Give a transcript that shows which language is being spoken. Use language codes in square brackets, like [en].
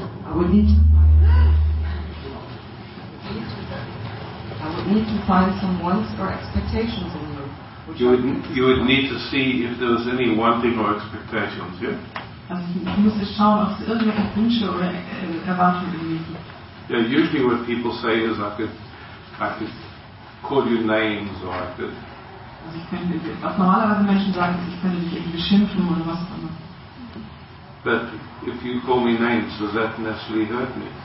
[en] I would need to find some wants or expectations in you. You would need to see if there was any wanting or expectations, yeah? [de] Also ich müsste schauen, ob es irgendwelche Wünsche oder Erwartungen in mir gibt. [en] Yeah, usually what people say is I could call you names or I could. [de] Also ich könnte, was normalerweise Menschen sagen, ist, ich könnte dich irgendwie beschimpfen oder was auch immer. [en] But if you call me names, does that necessarily hurt me?